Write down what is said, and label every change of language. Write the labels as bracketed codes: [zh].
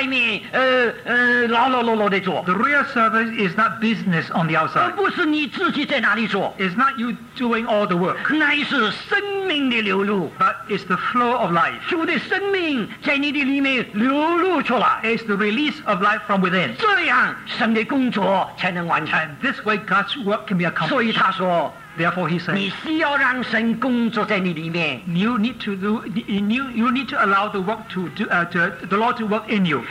[zh] 真正的侍奉不是在外面劳劳碌碌地做, [en] the real service is not business on the outside. [zh] 不是你自己在哪里做, [en] it's not you doing all the work. [zh] 乃是生命的流露, [en] but it's the flow of life. [zh] 主的生命在你的里面流露出来, [en] it's the release of life from within. [zh] 这样神的工作才能完成, [en] and this way God's work can be accomplished. [zh] 所以他说, [en] therefore he said, [zh] 你需要让神工作在你里面, [en] you need to allow the work to the Lord to work in you,